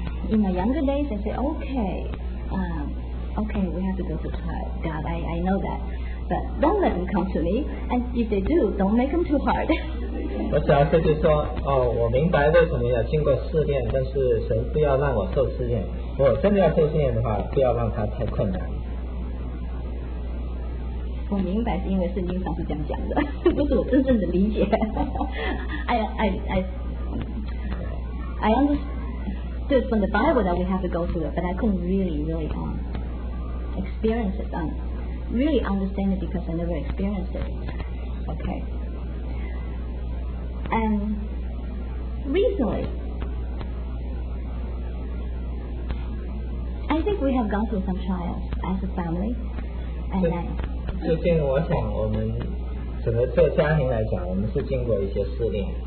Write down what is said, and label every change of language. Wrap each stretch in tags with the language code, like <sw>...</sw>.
<en>In my younger days, I say, okay, we have to go to trial. God, I know that. But don't let them come to me. And if they do, don't make them too hard.</en> <zh>我小时候就说，哦，我明白为什么要经过试炼，但是神不要让我受试炼。我真的要受试炼的话，不要让它太困难。我明白是因为圣经上是这样讲的，不是我真正的理解。</zh> <en>I understand. It's from the Bible that we have to go through it, but I couldn't really experience it, really understand it because I never experienced it. Okay. And recently, I think we have gone through some trials as a family. And I,</en> <zh>最近我想我们整个做家庭来讲，我们是经过一些试炼。</zh>